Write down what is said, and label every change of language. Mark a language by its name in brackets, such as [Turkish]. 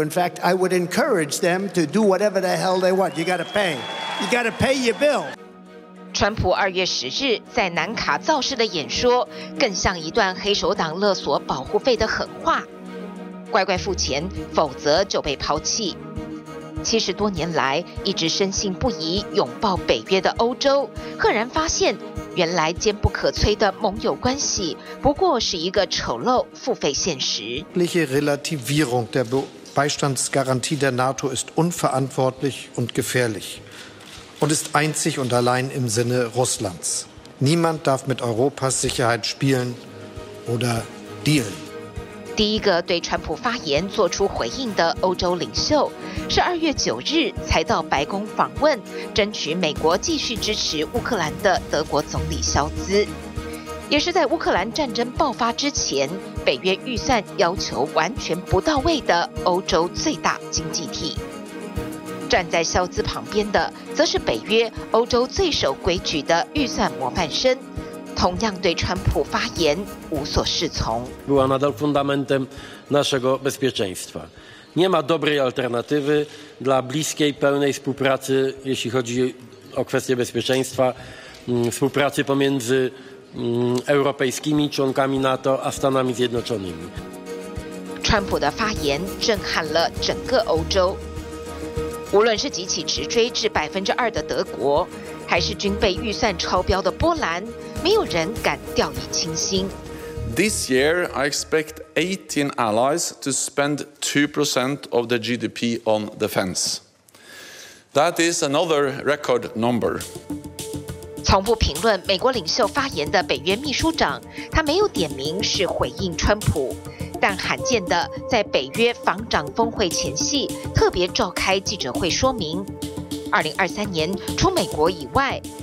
[English] In fact, I would encourage them to do whatever the hell they want. You gotta pay. You gotta pay your bill. [Chinese] 川普二月十日在南卡造势的演说，更像一段黑手党勒索保护费的狠话。乖乖付钱，否则就被抛弃。七十多年来一直深信不疑拥抱北约的欧洲，赫然发现原来坚不可摧的盟友关系不过是一个丑陋付费现实。 [German] Die Relativierung der Beistandsgarantie der NATO ist unverantwortlich und gefährlich und ist einzig und allein im Sinne Russlands. Niemand darf mit Europas Sicherheit spielen oder dealen. [Chinese] 第一个对川普发言做出回应的欧洲领袖，是二月九日才到白宫访问，争取美国继续支持乌克兰的德国总理肖兹，也是在乌克兰战争爆发之前，北约预算要求完全不到位的欧洲最大经济体。站在肖兹旁边的，则是北约欧洲最守规矩的预算模范生。同样对川普发言无所适从。 [Polish] Była nadal fundamentem naszego bezpieczeństwa. Nie ma dobrej alternatywy dla bliskiej, pełnej współpracy, jeśli chodzi o kwestie bezpieczeństwa, współpracy pomiędzy europejskimi członkami NATO a Stanami Zjednoczonymi. [Chinese] 川普的发言震撼了整个欧洲。无论是集体直追至2%的德国，还是军备预算超标的波兰。没有人敢掉以轻心。 [English] This year, I expect 18 allies to spend 2% of the GDP on defense. That is another record number. [Chinese] 从不评论美国领袖发言的北约秘书长，他没有点名是回应川普，但罕见的在北约防长峰会前夕特别召开记者会说明，2023年除美国以外。